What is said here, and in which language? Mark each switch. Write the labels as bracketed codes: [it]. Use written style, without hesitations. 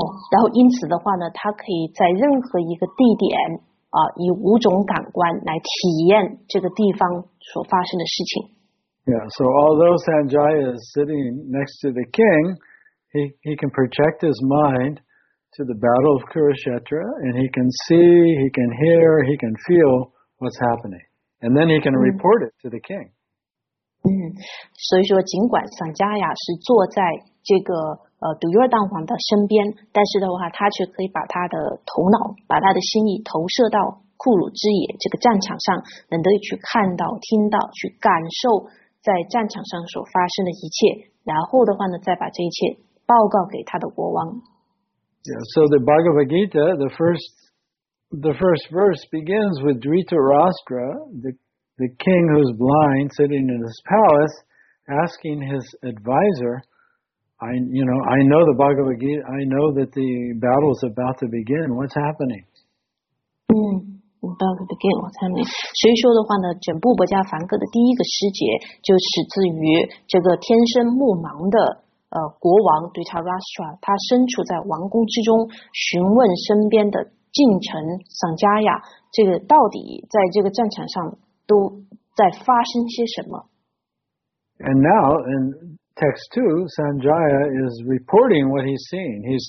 [zh] 然后因此的话呢，他可以在任何一个地点以五种感官来体验这个地方所发生的事情。 [en] Yeah, so although Sanjaya is sitting next to the king, he can project his mind to the battle of Kurukshetra, and he can see, he can hear, he can feel what's happening. And then he can report it to the king. [zh] 所以说尽管 Sanjaya 是坐在这个杜尤丹王的身边，但是的话他却可以把他的头脑，把他的心意投射到库鲁之野这个战场上，能得以去看到、听到、去感受在战场上所发生的一切，然后的话呢，再把这一切报告给他的国王。 [en] Yeah, so the Bhagavad Gita, the first verse begins with Dhritarashtra, the king who's blind, sitting in his palace, asking his advisor, I know the Bhagavad Gita, I know that the battle is about to begin. What's happening? About to begin, what's happening? [zh] 所以说的话呢，整部《波迦梵歌》的第一个诗节就始自于这个天生目盲的国王 Dhritarashtra， 他身处在王宫之中，询问身边的近臣 Sanjaya， 这个到底在这个战场上都在发生些什么？ [en] And now in text 2, Sanjaya is reporting what he's seeing.